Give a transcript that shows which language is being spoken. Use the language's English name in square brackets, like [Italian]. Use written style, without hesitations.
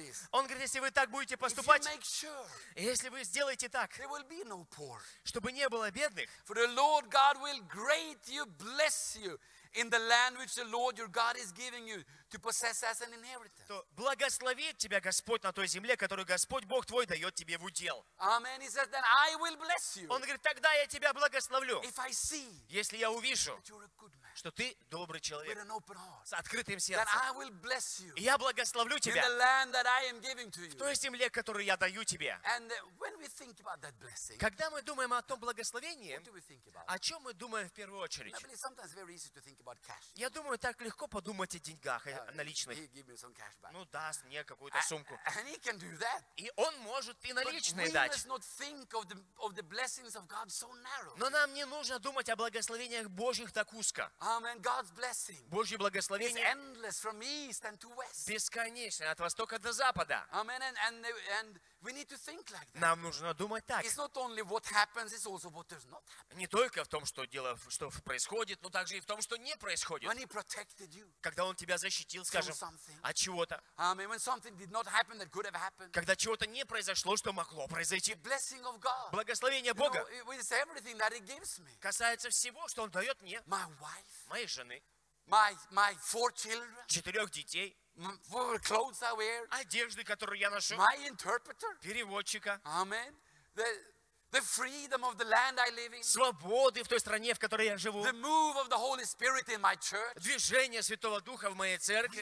[Russian] Он говорит, если вы так будете поступать, если вы сделаете так, чтобы не было бедных, [English] for the Lord God will great you, bless you in the land which the Lord your God is giving you to possess as an inheritance. [Russian] То благословит тебя Господь на той земле, которую Господь Бог твой дает тебе в удел. [English] Amen. He says, then I will bless you. [Russian] Он говорит, тогда я тебя благословлю. [English] If I see, [Russian] если я увижу, что ты добрый человек, [English] with an open heart, [Russian] с открытым сердцем, [English] that I will bless you, [Russian] я благословлю тебя [English] in the land that I am giving to you, [Russian] в той земле, которую я даю тебе. [English] And when we think about that blessing, [Russian] когда мы думаем о том благословении, [English] what do we think about? [Russian] О чем мы думаем в первую очередь? [English] I believe sometimes very easy to think about cash. [Russian] Я думаю, так легко подумать о деньгах, о наличных. [English] He give me some cash back. [Russian] Ну, даст мне какую-то сумку. [English] And he can do that. [Russian] И он может и наличные [English] but [Russian] дать. [English] We must not think of the blessings of God so narrow. [Russian] Но нам не нужно думать о благословениях Божьих так узко. [English] Amen. God's blessing. [Russian] Божье благословение. [English] It's endless from east and to west. [Russian] Бесконечное от востока до запада. [English] Amen. And we need to think like that. [Russian] Нам нужно думать так. [English] It's not only what happens, it's also what does not happen. [Russian] Не только в том, что дело, что происходит, но также и в том, что не происходит. [English] When he protected you. [Russian] Когда он тебя защитил, скажем, от чего-то. [English] Amen. When something did not happen that could have happened. [Russian] Когда чего-то не произошло, что могло произойти. [English] The blessing of God. [Russian] Благословение Бога. [English] You know, it's everything that he gives me. [Russian] Касается всего, что он дает мне. [English] My wife. [Russian] Моей жены. [English] My four children. [Russian] Четырех детей. [English] Clothes I wear, [Russian] одежды, которую я ношу, [English] my interpreter, [Russian] переводчика, [English] amen, the freedom of the land I live in, [Russian] свободы в той стране, в которой я живу, [English] the move of the Holy Spirit in my church, [Russian] движение Святого Духа в моей церкви.